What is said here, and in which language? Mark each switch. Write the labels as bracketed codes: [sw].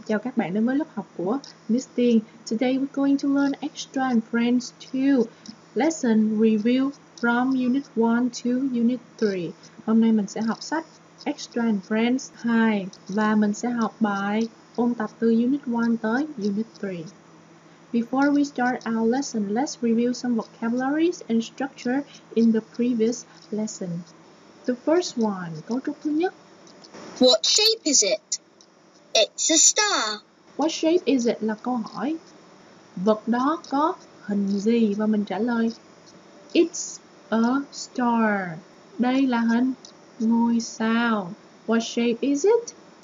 [vi] Chào các bạn đến với lớp học của Miss Tiên. [en] Today we're going to learn extra and friends 2. Lesson review from unit 1 to unit 3. [vi] Hôm nay mình sẽ học sách extra and friends 2 và mình sẽ học bài ôn tập từ unit 1 tới unit 3. [en] Before we start our lesson, let's review some vocabularies and structure in the previous lesson. The first one, [vi] câu trúc thứ nhất. [en] What shape is it? It's a star. What shape is it [vi] là câu hỏi. Vật đó có hình gì? Và mình trả lời, [en] it's a star. [vi] Đây là hình ngôi sao. [en] What shape is it?